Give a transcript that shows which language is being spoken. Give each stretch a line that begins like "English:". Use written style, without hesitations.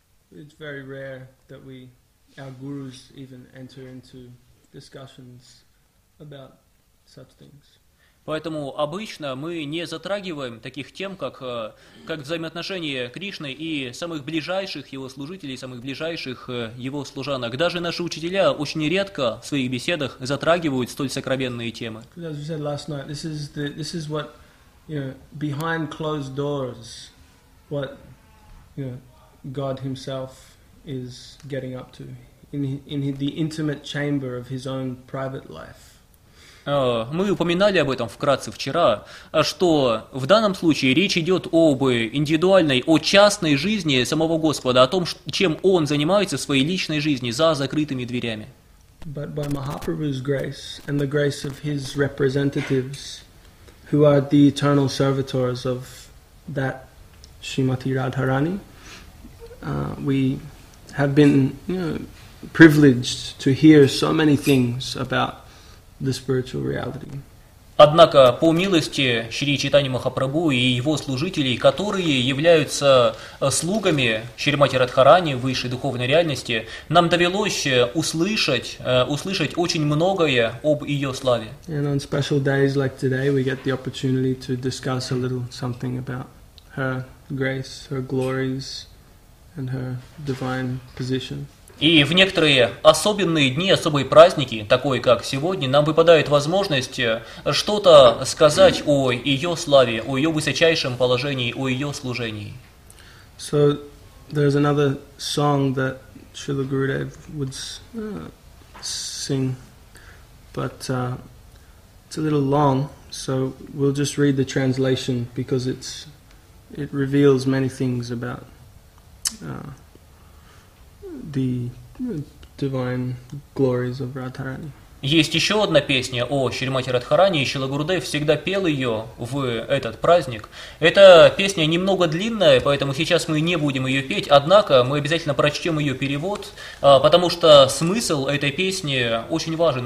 English: It's very rare that our gurus even enter into discussions about such things.
Russian: Поэтому обычно мы не затрагиваем таких тем, как взаимоотношения Кришны и самых ближайших его служителей, самых ближайших его служанок. Даже наши учителя очень редко в своих беседах затрагивают столь сокровенные темы.
English: As we said last night, this is what behind closed doors, what God Himself is getting up to in the intimate chamber of His own private life.
Russian: Мы упоминали об этом вкратце вчера, что в данном случае речь идет об индивидуальной, о частной жизни самого Господа, о том, чем Он занимается в своей личной жизни за закрытыми дверями.
English: But by Mahaprabhu's grace and the grace of His representatives, who are the eternal servitors of that Srimati Radharani, we have been privileged to hear so many things about the spiritual reality.
Russian: Однако по милости Шри Чайтанья Махапрабху и его служителей, которые являются слугами Шримати Радхарани, высшей духовной реальности, нам довелось услышать очень многое об ее славе.
English: And on special days like today, we get the opportunity to discuss a little something about her grace, her glories, and her divine position.
Russian: И в некоторые особенные дни, особые праздники, такой как сегодня, нам выпадает возможность что-то сказать о ее славе, о ее высочайшем положении, о ее служении.
English: So there's another song that Srila Gurudev would sing, but it's a little long, so we'll just read the translation because it reveals many things about the divine glories of Radharani.
Russian: Есть еще одна песня о Шримати Радхарани, и Шрила Гурудев всегда пел ее в этот праздник. Эта песня немного длинная, поэтому сейчас мы не будем ее петь, однако мы обязательно прочтем ее перевод, потому что смысл этой песни очень важен.